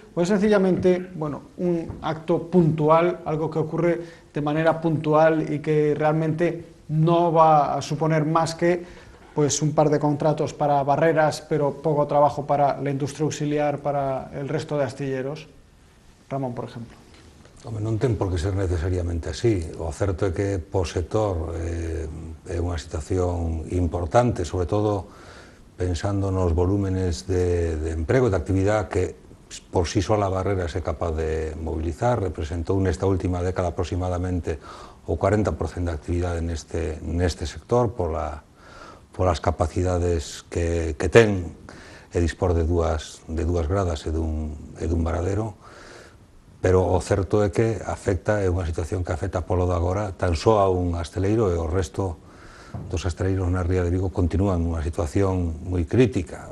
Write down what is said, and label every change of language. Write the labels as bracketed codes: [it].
[es] ¿O es sencillamente, un acto puntual, algo que ocurre de manera puntual y que realmente no va a suponer más que un par de contratos para Barreras, pero poco trabajo para la industria auxiliar, para el resto de astilleros? Ramón, por ejemplo. [gl] Hombre, non ten por que ser necesariamente así. O certo é que po sector é unha situación importante, sobre todo pensando nos volúmenes de emprego e de actividade que por sí sola Barreras é capaz de movilizar. Representou nesta última década aproximadamente o 40% de actividade neste sector pola, [es] por las capacidades [gl] que ten, e dispor de dúas gradas e dun varadero, pero o certo é que afecta, é unha situación que afecta polo de agora, tan só a un asteleiro, e o resto dos asteleiros na Ría de Vigo continúan unha situación moi crítica.